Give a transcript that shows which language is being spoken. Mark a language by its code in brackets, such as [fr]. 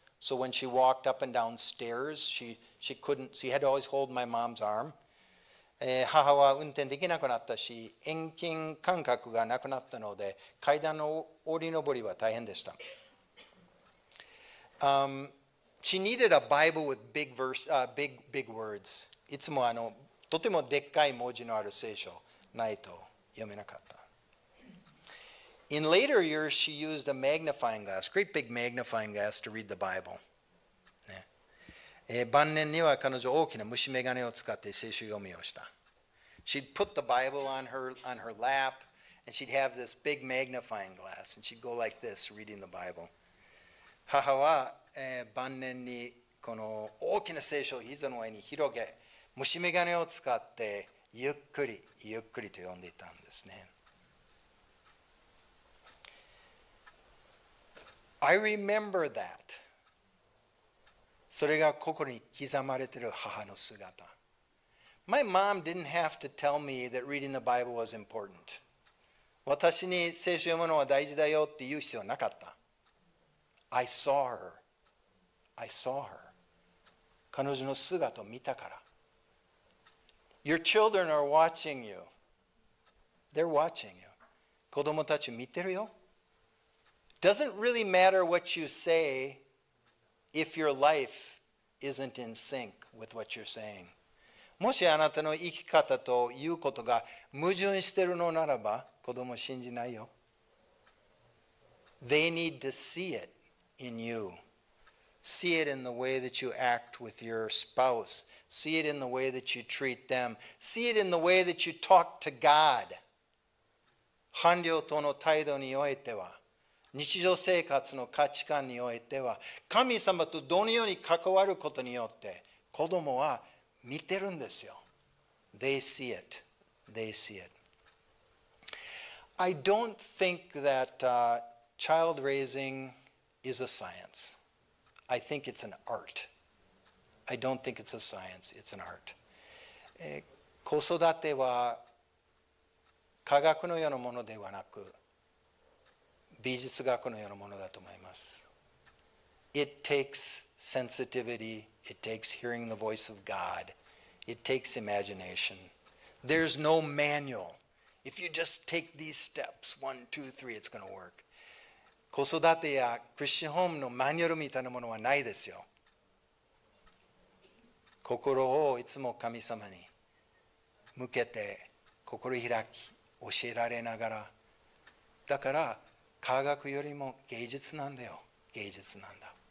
[en] So when she walked up and down stairs, she couldn't. She had to always hold my mom's arm. [ja] 母は運転できなくなったし、遠近感覚がなくなったので、階段の降り上りは大変でした。 [en] She needed a Bible with big words. [ja] いつもとてもでっかい文字のある聖書ないと読めなかった。 [en] In later years, she used a magnifying glass, great big magnifying glass to read the Bible.、ね、 [ja] 晩年には彼女は大きな虫眼鏡を使って聖書読みをした。 [en] She'd put the Bible on her lap, and she'd have this big magnifying glass, and she'd go like this, reading the Bible. [ja] 母は、晩年にこの大きな聖書を膝の上に広げ、虫眼鏡を使ってゆっくりゆっくりと読んでいたんですね。 [en] I remember that. [ja] それが心に刻まれている母の姿。 [en] My mom didn't have to tell me that reading the Bible was important. [ja] 私に聖書読むのは大事だよって言う必要なかった。 [en] I saw her. [ja] 彼女の姿を見たから。 [en] Your children are watching you. They're watching you. [ja] 子供たち見てるよ。 [en] Doesn't really matter what you say if your life isn't in sync with what you're saying. [ja] もしあなたの生き方と言うことが矛盾してるのならば、子供信じないよ。 [en] They need to see it in you. See it in the way that you act with your spouse. See it in the way that you treat them. See it in the way that you talk to God. [ja] 伴侶との態度においては、日常生活の価値観においては、神様とどのように関わることによって、子供は見てるんですよ。 [en] They see it. They see it. I don't think that、child raising is a science. I think it's an art. I don't think it's a science. It's an art. [ja] 子育ては科学のようなものではなく、美術学のようなものだと思います。 [en] It takes sensitivity. It takes hearing the voice of God. It takes imagination. There's no manual. If you just take these steps, one, two, three, it's going to work. [ja] 子育てやクリスチャンホームのマニュアルみたいなものはないですよ。心をいつも神様に向けて心開き、教えられながら、だから科学よりも芸術なんだよ。芸術なんだ。